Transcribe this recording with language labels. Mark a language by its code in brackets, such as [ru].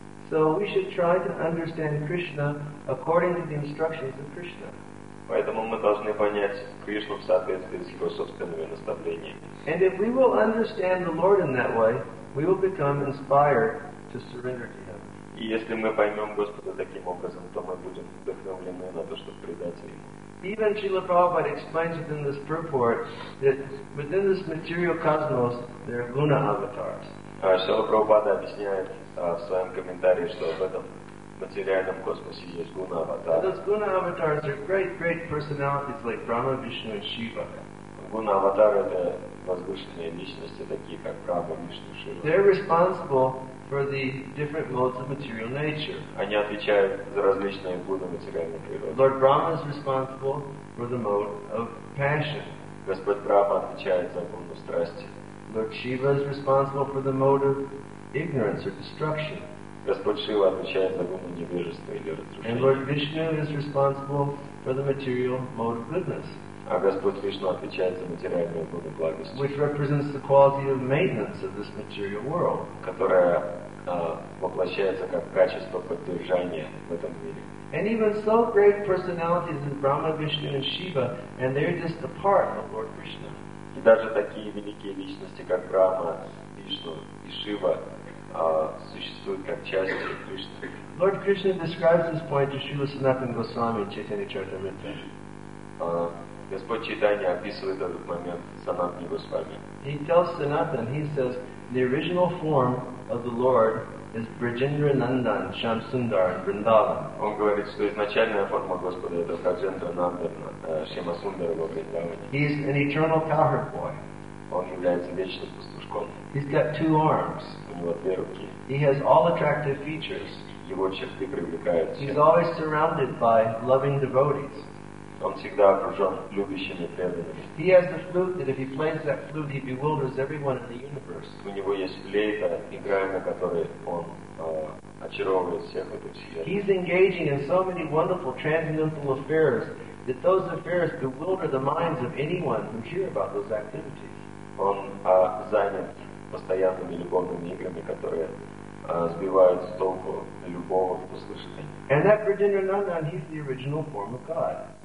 [en] So we should try to understand Krishna according to the instructions of Krishna. [ru] Поэтому мы должны понять Кришну в соответствии с его собственными наставлениями. [en] And if we will understand the Lord in that way, we will become inspired to surrender to Him. [ru] И если мы поймем Господа таким образом, то мы будем вдохновлены на то, чтобы предаться Ему. [en] Even Srila Prabhupada explains within this purport that within this material cosmos there are guna avatars. [ru] Шрила Прабхупада объясняет в своем комментарии, что в этом материальном космосе есть гуна аватары. [en] Those guna avatars are great personalities like Brahma, Vishnu, and Shiva. [ru] Гуна аватары — это возвышенные личности, такие как Брахма, Вишну, Шива. [en] They're responsible for the different modes of material nature. [ru] Они отвечают за различные гуны материальной природы. [en] Lord Brahma is responsible for the mode of passion. [ru] Господь Брахма отвечает за гуну страсти. [en] Lord Shiva is responsible for the mode of ignorance or destruction. [ru] Господь Шива отвечает за гуну невежества или разрушения. [en] And Lord Vishnu is responsible for the material mode of goodness. [ru] А Господь Вишну отвечает за материальную воду благости. [en] Which represents the quality of maintenance of this material world. [ru] Которая воплощается как качество поддержания в этом мире. [en] And even so great personalities as Brahma, Vishnu, and Shiva, and they're just a part of Lord Krishna. [ru] И даже такие великие личности, как Брахма, Вишну и Шива, существуют как части Кришны. [en] Lord Krishna describes this point to Śrīla Sanatana Gosvāmī in Chaitanya Charitamrita. [ru] Господь Чайтанья описывает этот момент Санатана Госвами. [en] He tells Sanatana, he says, the original form of the Lord is Brijendra Nandan, Shamsundar, and Vrindavan. [ru] Он говорит, что изначальная форма Господа это Брджендра Нандан, Шамасундар и Вриндаван. [en] He is an eternal cowherd boy. [ru] Он является вечным пастушком. [en] He's got two arms. [ru] У него две руки. [en] He has all attractive features. [ru] Его черты привлекают. [en] He's always surrounded by loving devotees. [ru] Он всегда окружен любящими преданными. [en] He has the flute that if he plays that flute, he bewilders everyone in the universe. [ru] У него есть флейта, играя на которой он очаровывает всех в этой вселенной. [en] He's engaging in so many wonderful transcendental affairs that those affairs bewilder the minds of anyone who hear about those activities. [ru] Он занят постоянными любовными играми, которые сбивают с толку любого, кто слышит. [en] And that Brijendra Nandan, he's the original form of God.